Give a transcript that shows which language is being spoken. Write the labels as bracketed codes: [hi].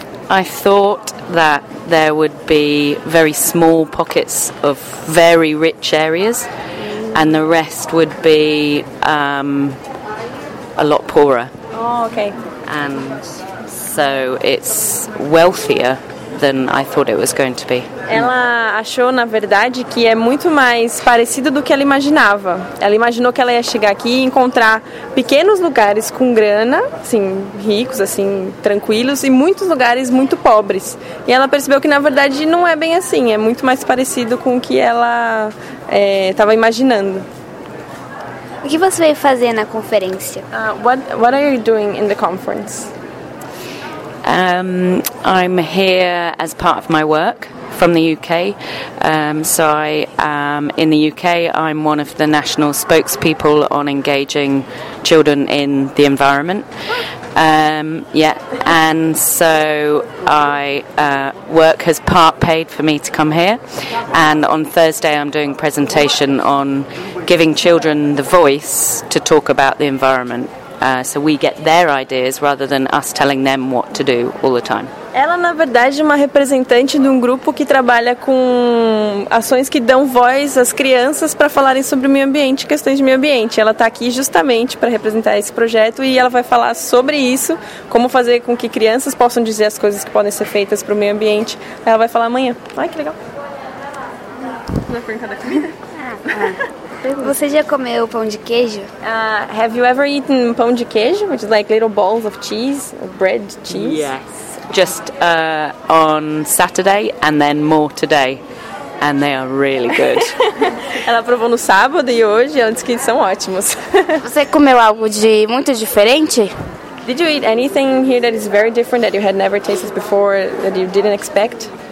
[en] I thought that there would be very small pockets of very rich areas, and the rest would be a lot poorer. Oh, okay. And so it's wealthier than I thought it was going to be. [pt] Ela achou, na verdade, que é muito mais parecido do que ela imaginava. Ela imaginou que ela ia chegar aqui e encontrar pequenos lugares com grana, assim, ricos, assim, tranquilos, e muitos lugares muito pobres. E ela percebeu que, na verdade, não é bem assim. É muito mais parecido com o que ela estava imaginando. O que você veio fazer na conferência? [en] What are you doing in the conference? I'm here as part of my work from the UK. So I am in the UK. I'm one of the national spokespeople on engaging children in the environment. And so I work has part paid for me to come here. And on Thursday, I'm doing a presentation on giving children the voice to talk about the environment. So we get their ideas rather than us telling them what to do all the time. [pt] Ela, na verdade, é uma representante de um grupo que trabalha com ações que dão voz às crianças para falarem sobre o meio ambiente, questões de meio ambiente. Ela está aqui justamente para representar esse projeto e ela vai falar sobre isso, como fazer com que crianças possam dizer as coisas que podem ser feitas para o meio ambiente. Ela vai falar amanhã. Ai, que legal. Vai perguntar da comida? Você já comeu pão de queijo? [en] Have you ever eaten pão de queijo? Which is like little balls of cheese, bread cheese? Yes, just on Saturday and then more today. And they are really good. [pt] Ela provou no sábado e hoje ela disse que são ótimos. Você comeu algo de muito diferente? [en] Did you eat anything here that is very different that you had never tasted before that you didn't expect?